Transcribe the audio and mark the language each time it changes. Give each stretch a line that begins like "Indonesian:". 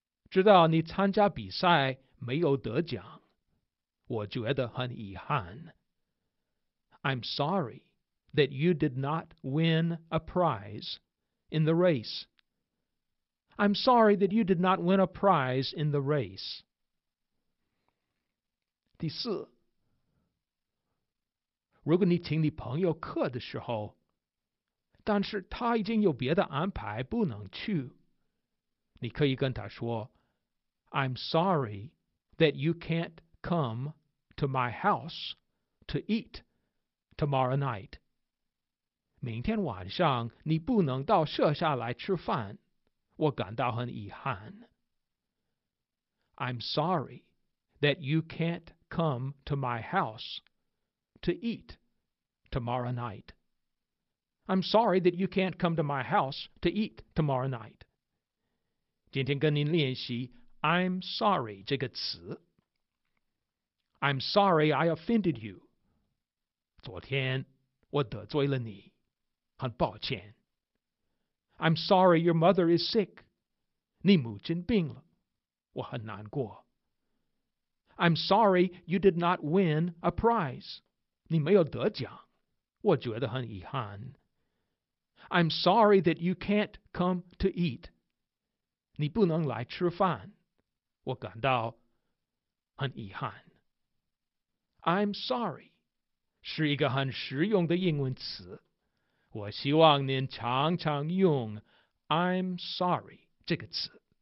Chinese: 知道你参加比赛没有得奖，我觉得很遗憾。
English: I'm sorry that you did not win a prize in the race. I'm sorry that you did not win a prize in the race.
Chinese: 第四，如果你请你朋友客的时候，但是他已经有别的安排不能去，你可以跟他说
English: I'm sorry that you can't come to my house to eat tomorrow night.
Chinese: 明天晚上你不能到舍下来吃饭，我感到很遗憾。
English: I'm sorry that you can't come to my house to eat tomorrow night. I'm sorry that you can't come to my house to eat tomorrow night.
Chinese: 今天跟您练习 I'm sorry 这个词。
English: I'm sorry I offended you.
Chinese: 昨天我得罪了你，很抱歉。
English: I'm sorry your mother is sick.
Chinese: 你母亲病了，我很难过。
English: I'm sorry you did not win a prize.
Chinese: 你没有得奖，我觉得很遗憾。
English: I'm sorry that you can't come to eat.
Chinese: 你不能来吃饭，我感到很遗憾。 I'm sorry 是一个很实用的英文词，我希望您常常用 I'm sorry 这个词。